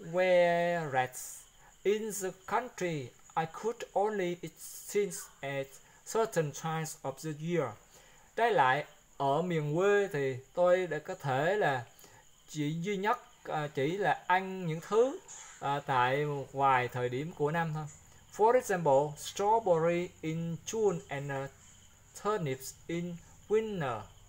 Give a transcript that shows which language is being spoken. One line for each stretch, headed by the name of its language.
English: Whereas in the country, I could only eat things at certain times of the year.
Vietnamese: Trái lại, ở miền quê thì tôi đã có thể là chỉ duy nhất chỉ là ăn những thứ tại một vài thời điểm của năm thôi.
English: For example, strawberry in June and turnips in winter.